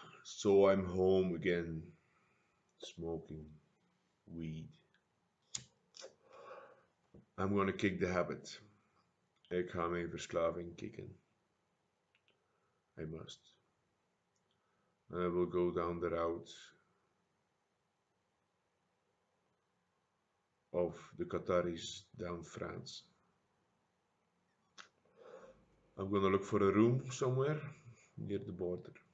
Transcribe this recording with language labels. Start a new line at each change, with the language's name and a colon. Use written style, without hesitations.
English: So I'm home again, smoking weed. I'm gonna kick the habit.
Dutch: Ik ga mijn verslaving kicken.
English: I must. I will go down the route of the Qataris down France. I'm gonna look for a room somewhere near the border.